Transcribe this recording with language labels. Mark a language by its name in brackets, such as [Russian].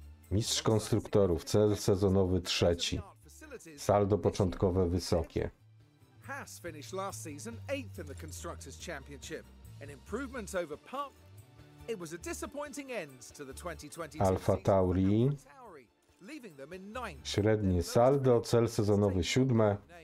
[Polish] Mistrz konstruktorów, cel sezonowy trzeci. Saldo początkowe wysokie. [English] Haas finished last season 8th in the Constructors' Championship. An improvement over Park. It was a disappointing end to the 2020 Alfa Tauri. Leaving them in 9th. [Polish] Średnie saldo, cel sezonowy 7.